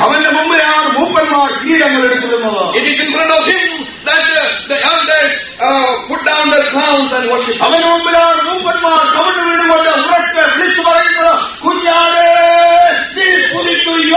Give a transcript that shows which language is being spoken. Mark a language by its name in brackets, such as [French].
[Malayalam] അവന്റെ മുമ്പിലാണ് മൂപ്പന്മാർ കിരീടങ്ങൾ എടുക്കുന്നത്. [English] It is in front of him that the elders put down their crowns and worship. [Malayalam] അവന്റെ മുമ്പിലാണ് മൂപ്പന്മാർ കവിണ്ണു വീണുകൊണ്ട് ഉറക്കെ വിളിച്ചു പറയുന്നത്, കുഞ്ഞാടേ നീ പുതിച്ചു